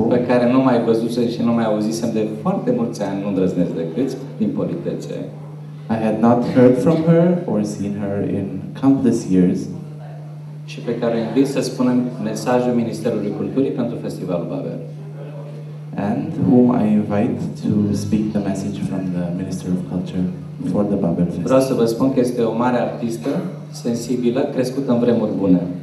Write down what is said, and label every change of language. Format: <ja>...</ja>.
<ro>pe care nu mai văzusem și nu mai auzisem de foarte mulți ani, nu îndrăznesc decât din politețe.</ro> <en>I had not heard from her or seen her in countless years.</en> <ro>Și pe care o invit să spunem mesajul Ministerului Culturii pentru Festivalul Babel.</ro> <en>And whom I invite to speak the message from the Minister of Culture for the Babel Festival.</en> <ro>Vreau să vă spun că este o mare artistă, sensibilă, crescută în vremuri bune.</ro>